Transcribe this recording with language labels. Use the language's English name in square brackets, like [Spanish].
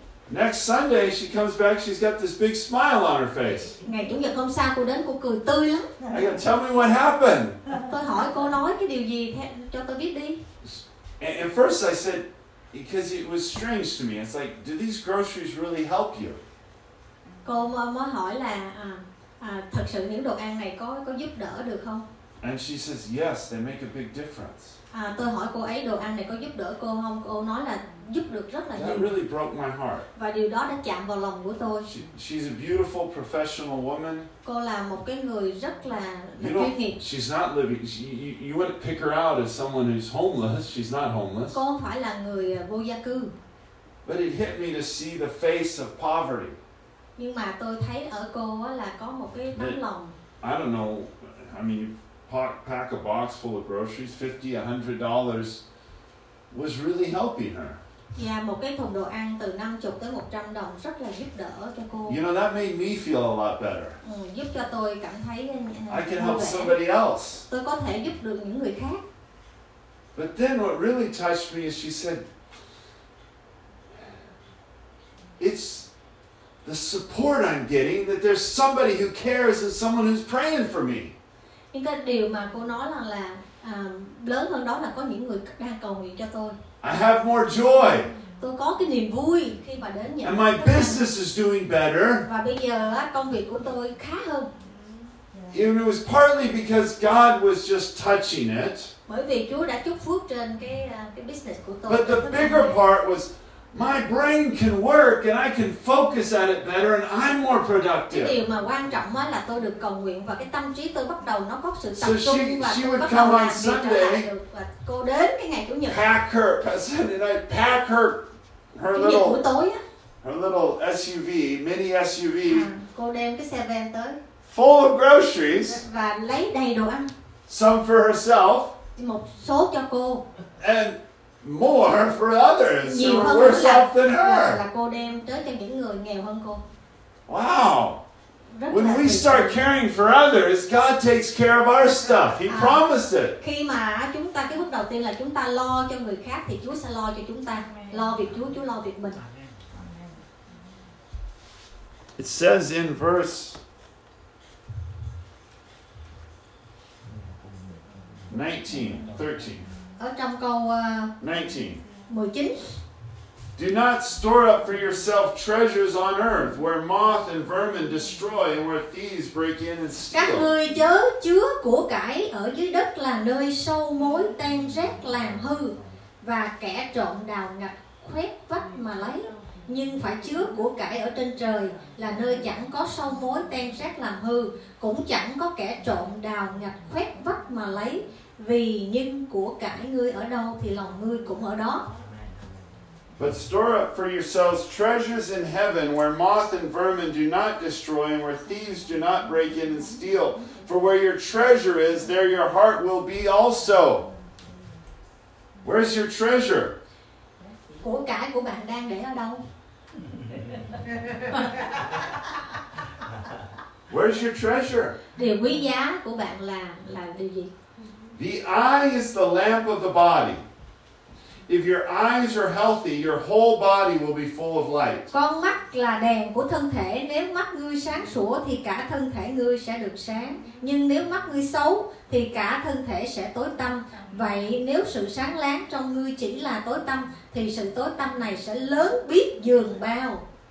[English] Next Sunday she comes back, she's got this big smile on her face. [Vietnamese] Ngày chủ nhật hôm sau cô đến, cô cười tươi lắm. [English] I go, tell me what happened. [Vietnamese] Tôi hỏi cô nói cái điều gì cho tôi biết đi. [English] And first I said, because it was strange to me. It's like, do these groceries really help you? [Vietnamese] Cô mới hỏi là thật sự những đồ ăn này có giúp đỡ được không? [English] And she says, yes, they make a big difference. [Vietnamese] Tôi hỏi cô ấy đồ ăn này có giúp đỡ cô không? Cô nói là giúp được rất là nhiều. [English] That really broke my heart. [Vietnamese] Và điều đó đã chạm vào lòng của tôi. [English] She's a beautiful professional woman. [Vietnamese] Cô là một cái người rất là chuyên nghiệp. [English] She's not living. You wouldn't pick her out as someone who's homeless. She's not homeless. [Vietnamese] Cô không phải là người vô gia cư. [English] But it hit me to see the face of poverty. [Vietnamese] Nhưng mà tôi thấy ở cô là có một cái tấm lòng. [English] I don't know. I mean, pack a box full of groceries, $50, $100, was really helping her. [Vietnamese] Yeah, một cái thùng đồ ăn từ 50 tới 100 đồng rất là giúp đỡ cho cô. [English] You know, that made me feel a lot better. [Vietnamese] Giúp cho tôi cảm thấy [English] I can help somebody else. [Vietnamese] Tôi có thể giúp được những người khác. [English] But then what really touched me is she said, it's the support I'm getting that there's somebody who cares and someone who's praying for me. [Vietnamese] Nhưng cái điều mà cô nói là lớn hơn đó là có những người đang cầu nguyện cho tôi. [English] I have more joy. [Vietnamese] Tôi có cái niềm vui khi mà đến nhận. [English] And my business is doing better. [Vietnamese] Và bây giờ công việc của tôi khá hơn. [English] And it was partly because God was just touching it. [Vietnamese] Bởi vì Chúa đã chúc phước trên cái business của tôi. [English] But the bigger part was my brain can work and I can focus at it better and I'm more productive. [Vietnamese] Cái điều mà quan trọng mới là tôi được cầu nguyện và cái tâm trí tôi bắt đầu nó có sự tập trung. [English] So she would come on Sunday. [Vietnamese] Cô đến cái ngày chủ nhật. [English] Pack her Sunday night. Pack her [Vietnamese] chủ [English] little. [Vietnamese] Tối á. [English] Her little SUV, mini SUV. [Vietnamese] Cô đem cái xe van tới. [English] Full of groceries. [Vietnamese] Và lấy đầy đồ ăn. [English] Some for herself. [Vietnamese] Một số cho cô. [English] And more for others [Vietnamese] nhiều [English] who are worse off than her. [Vietnamese] Là cô đem tới cho những người nghèo hơn cô. [English] Wow. [Vietnamese] Rất [English] when we start caring for others, God takes care of our stuff. He promised it. [Vietnamese] Khi mà chúng ta cái bước đầu tiên là chúng ta lo cho người khác thì Chúa sẽ lo cho chúng ta. Lo việc Chúa lo việc mình. [English] It says in verse 19:13. [Vietnamese] Ở trong câu 19. [English] Do not store up for yourself treasures on earth where moth and vermin destroy and where thieves break in and steal. [Vietnamese] Các ngươi chớ chứa của cải ở dưới đất là nơi sâu mối tan rác làm hư và kẻ trộm đào ngập khoét vách mà lấy. Nhưng phải chứa của cải ở trên trời là nơi chẳng có sâu mối tan rác làm hư, cũng chẳng có kẻ trộm đào ngập khoét vách mà lấy. Vì nhân của cải ngươi ở đâu thì lòng ngươi cũng ở đó. [English] But store up for yourselves treasures in heaven where moth and vermin do not destroy and where thieves do not break in and steal. For where your treasure is, there your heart will be also. Where's your treasure? [Vietnamese] Của cải của bạn đang để ở đâu? [English] Where's your treasure? [Vietnamese] Điều quý giá của bạn là điều gì? [English] The eye is the lamp of the body. If your eyes are healthy, your whole body will be full of light. [Vietnamese] Con mắt là đèn của thân thể. Nếu mắt ngươi sáng sủa thì cả thân thể ngươi sẽ được sáng. Nhưng nếu mắt ngươi xấu thì cả thân thể sẽ tối tăm. Vậy nếu sự sáng láng trong ngươi chỉ là tối tăm thì sự tối tăm này sẽ lớn biết dường bao.